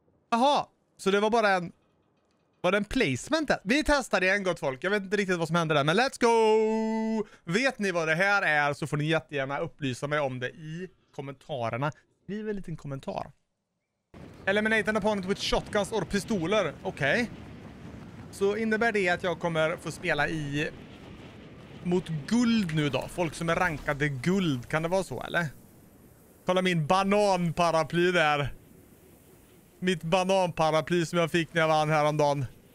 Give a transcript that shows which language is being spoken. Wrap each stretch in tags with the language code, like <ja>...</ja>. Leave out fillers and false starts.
<sv>Jaha, så det var bara en... Var det en placement där? Vi testar det en gång, folk. Jag vet inte riktigt vad som hände där, men</sv> <en>let's go!</en> <sv>Vet ni vad det här är, så får ni jättegärna upplysa mig om det i kommentarerna. Skriv en liten kommentar.</sv> <en>Eliminate an opponent with shotguns or</en> <sv>pistoler. Okej. Okay. Så innebär det att jag kommer få spela i mot guld nu då? Folk som är rankade guld. Kan det vara så, eller? Kolla min bananparaply där. Mitt bananparaply som jag fick när jag vann häromdagen.</sv>